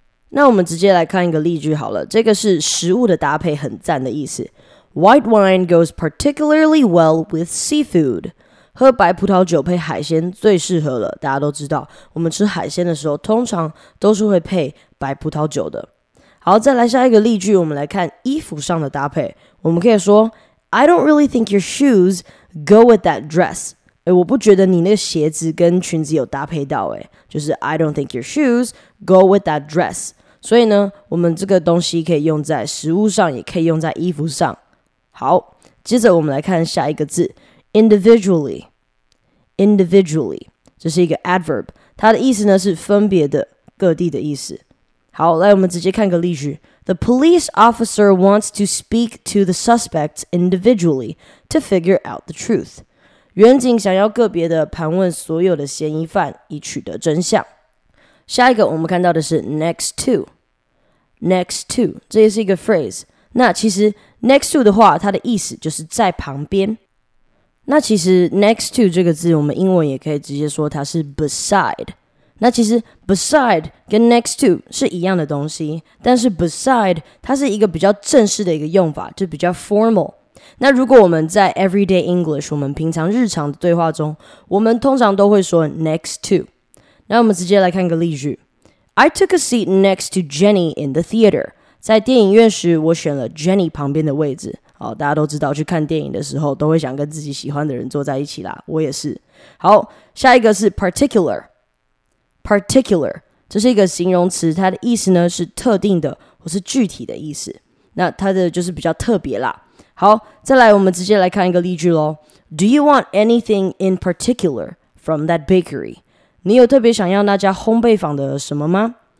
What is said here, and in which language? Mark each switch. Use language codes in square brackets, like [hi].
[zh] 那我们直接来看一个例句好了，这个是食物的搭配很赞的意思。 [en] White wine goes particularly well with seafood. [zh] 喝白葡萄酒配海鲜最适合了。大家都知道，我们吃海鲜的时候，通常都是会配白葡萄酒的。好，再来下一个例句，我们来看衣服上的搭配。我们可以说 [en] ，I don't really think your shoes go with that dress. [zh] 我不觉得你那个鞋子跟裙子有搭配到。就是 [en] I don't think your shoes go with that dress. [zh] 所以呢，我们这个东西可以用在食物上，也可以用在衣服上。好，接着我们来看下一个字 ，individually。 individually 这是一个 adverb， 它的意思呢是分别的、各地的意思。好，来我们直接看个例句 [en] ：The police officer wants to speak to the suspects individually to figure out the truth。 [zh] 原警想要个别的盘问所有的嫌疑犯，以取得真相。下一个我们看到的是 next to。next to 这也是一个 phrase。那其实 next to 的话，它的意思就是在旁边。那其实 next to 这个字，我们英文也可以直接说它是 beside。那其实 beside 跟 next to 是一样的东西，但是 beside 它是一个比较正式的一个用法，就比较 formal。那如果我们在 everyday English， 我们平常日常的对话中，我们通常都会说 next to。那我们直接来看个例句 [en] ：I took a seat next to Jenny in the theater。 [zh] 在电影院时，我选了 Jenny 旁边的位置。好，大家都知道，去看电影的时候都会想跟自己喜欢的人坐在一起啦，我也是。好，下一个是 particular。particular 这是一个形容词，它的意思呢是特定的或是具体的意思。那它的就是比较特别啦。好，再来我们直接来看一个例句咯。 [en] Do you want anything in particular from that bakery? [zh] 你有特别想要那家烘焙坊的什么吗？